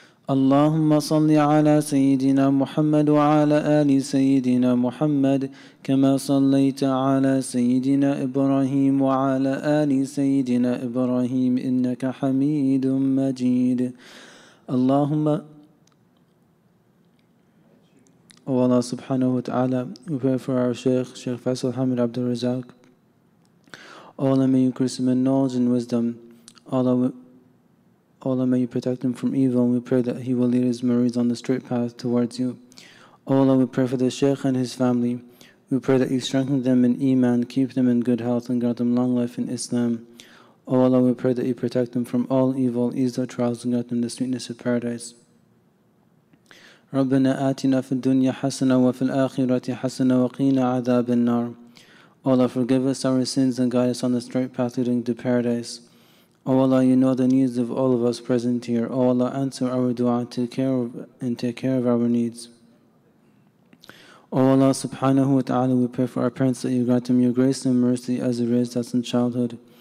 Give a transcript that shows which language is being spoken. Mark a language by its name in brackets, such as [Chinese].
[Arabic] اللهم صل على سيدنا محمد وعلى آل سيدنا محمد كما صليت على سيدنا إبراهيم وعلى آل سيدنا إبراهيم إنك حميد مجيد اللهم [English] Allah subhanahu wa ta'ala, we pray for our Shaykh, Shaykh Faisal Hamid Abdul Razak. Allah may increase him in knowledge and wisdom. Allah may you protect him from evil, and we pray that he will lead his murids on the straight path towards you. Allah, we pray for the Shaykh and his family. We pray that you strengthen them in Iman, keep them in good health, and grant them long life in Islam. Allah, we pray that you protect them from all evil, ease their trials, and grant them the sweetness of paradise. [Arabic] ربنا آتنا في الدنيا حسنة وفي الآخرة حسنة وقينا عذاب النار. [English] Allah, forgive us our sins and guide us on the straight path leading to paradise. Oh Allah, you know the needs of all of us present here. Oh Allah, answer our dua and take care of our needs. Oh Allah, subhanahu wa ta'ala, we pray for our parents that you grant them your grace and mercy as you raised us in childhood.